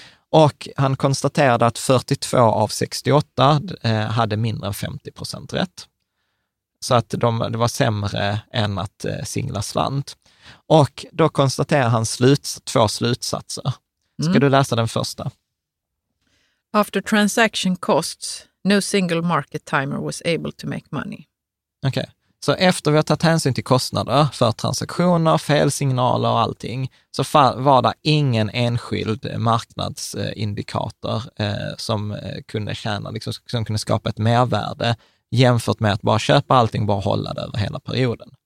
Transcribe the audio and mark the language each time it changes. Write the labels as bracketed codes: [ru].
[sv] Och han konstaterade att 42 av 68 hade mindre än 50% rätt. Så att det var sämre än att singla slant. Och då konstaterar han två slutsatser. Ska du läsa den första? [en] After transaction costs, no single market timer was able to make money. [sv] Okej. Så efter vi har tagit hänsyn till kostnader för transaktioner, felsignaler och allting, så var det ingen enskild marknadsindikator som kunde tjäna, liksom, som kunde skapa ett mervärde jämfört med att bara köpa allting, bara hålla det över hela perioden.